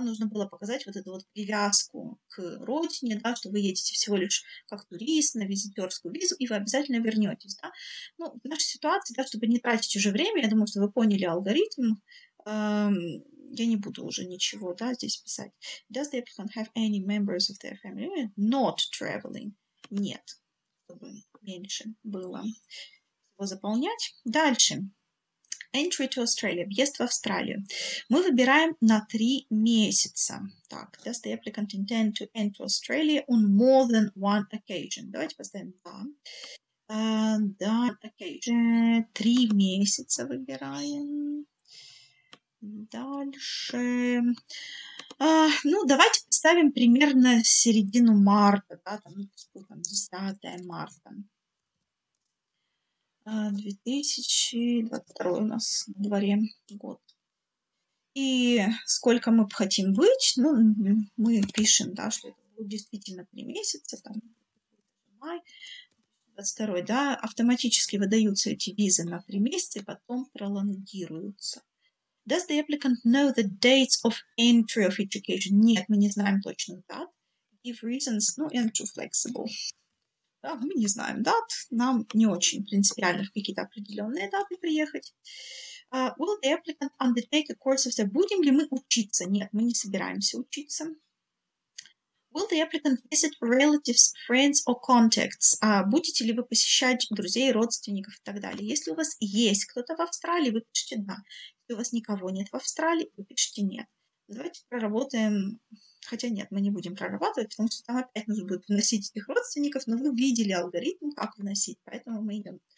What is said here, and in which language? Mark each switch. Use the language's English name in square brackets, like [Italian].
[Russian] Нужно было показать вот эту вот привязку к родине, да, что вы едете всего лишь как турист на визитерскую визу, и вы обязательно вернетесь, да. Ну, в нашей ситуации, да, чтобы не тратить уже время, я думаю, что вы поняли алгоритм, я не буду уже ничего, да, здесь писать. [English] Does the applicant have any members of their family not traveling? [Russian] Нет, чтобы меньше было заполнять. Дальше. [English] Entry to Australia. [Russian] Въезд в Австралию. Мы выбираем на 3 месяца. Так. [English] Does the applicant intend to enter Australia on more than one occasion? [Russian] Давайте поставим да. Да, occasion. 3 месяца выбираем. Дальше. Ну, давайте поставим примерно середину марта. Да, там, 10 марта. 2022 у нас на дворе год. И сколько мы бы хотим быть? Ну, мы пишем, да, что это будет действительно 3 месяца, там, май, 22, да, автоматически выдаются эти визы на 3 месяца, потом пролонгируются. [English] Does the applicant know the dates of entry of education? [Russian] Нет, мы не знаем точно дат. [English] Give reasons, [Russian] ну, [English] entry flexible. [Russian] Да, мы не знаем дат, нам не очень принципиально в какие-то определенные даты приехать. [English] Will the applicant undertake a course of study? [Russian] Будем ли мы учиться? Нет, мы не собираемся учиться. [English] Will the applicant visit relatives, friends or contacts? [Russian] Будете ли вы посещать друзей, родственников и так далее? Если у вас есть кто-то в Австралии, вы пишите «да». Если у вас никого нет в Австралии, вы пишите «нет». Давайте проработаем. Хотя нет, мы не будем прорабатывать, потому что там опять нужно будет вносить этих родственников, но вы видели алгоритм, как вносить, поэтому мы идем.